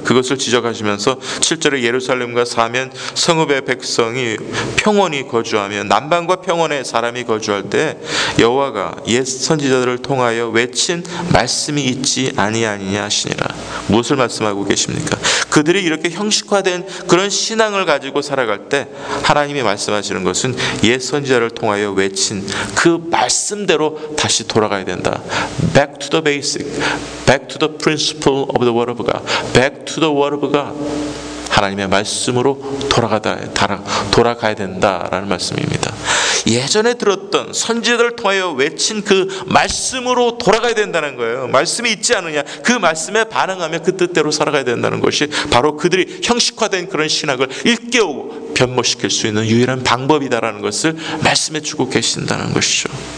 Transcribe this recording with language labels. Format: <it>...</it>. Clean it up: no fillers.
<ko>그것을 지적하시면서 7절에 예루살렘과 사면 성읍의 백성이 평원히 거주하며 남방과 평원의 사람이 거주할 때 여호와가 옛 선지자들을 통하여 외친 말씀이 있지 아니하니냐 하시니라. 무엇을 말씀하고 계십니까? 그들이 이렇게 형식화된 그런 신앙을 가지고 살아갈 때 하나님이 말씀하시는 것은 옛 선지자를 통하여 외친 그 말씀대로 다시 돌아가야 된다.</ko> <en>Back to the basic, back to the principle of the word of God, back to the word of God.</en> <ko>하나님의 말씀으로 돌아가야 된다라는 말씀입니다. 예전에 들었던 선지자들을 통하여 외친 그 말씀으로 돌아가야 된다는 거예요. 말씀이 있지 않느냐, 그 말씀에 반응하며 그 뜻대로 살아가야 된다는 것이 바로 그들이 형식화된 그런 신학을 일깨우고 변모시킬 수 있는 유일한 방법이다라는 것을 말씀해 주고 계신다는 것이죠.</ko>